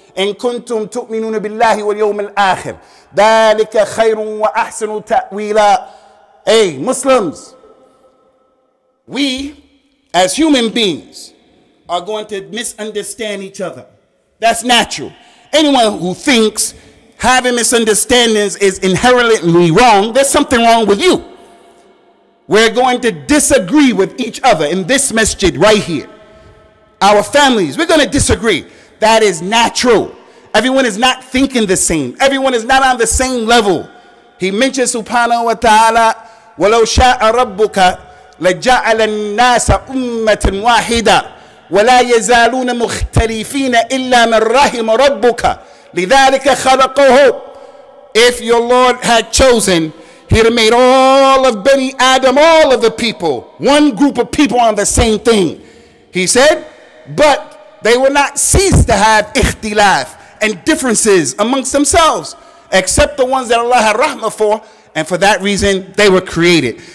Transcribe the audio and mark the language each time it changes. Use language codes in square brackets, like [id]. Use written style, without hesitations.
[ar] إن كنتم تؤمنون بالله واليوم الآخر ذلك خير وأحسن تأويلا. [en] Hey, Muslims, we as human beings are going to misunderstand each other. That's natural. Anyone who thinks having misunderstandings is inherently wrong, there's something wrong with you. We're going to disagree with each other in this masjid right here. Our families, we're going to disagree. That is natural. Everyone is not thinking the same. Everyone is not on the same level. He mentions, subhanahu wa ta'ala, [ar] وَلَوْ شَاءَ رَبُّكَ لَجَعَلَ النَّاسَ أُمَّةٍ وَاحِدًا وَلَا يَزَالُونَ مُخْتَلِفِينَ إِلَّا مَنْ رَحِمَ رَبُّكَ لِذَلِكَ خَلَقُهُ. [en] If your Lord had chosen, He'd have made all of Bani Adam, all of the people, one group of people on the same thing. He said, but they will not cease to have ikhtilaf and differences amongst themselves, except the ones that Allah had rahmah for, and for that reason, they were created.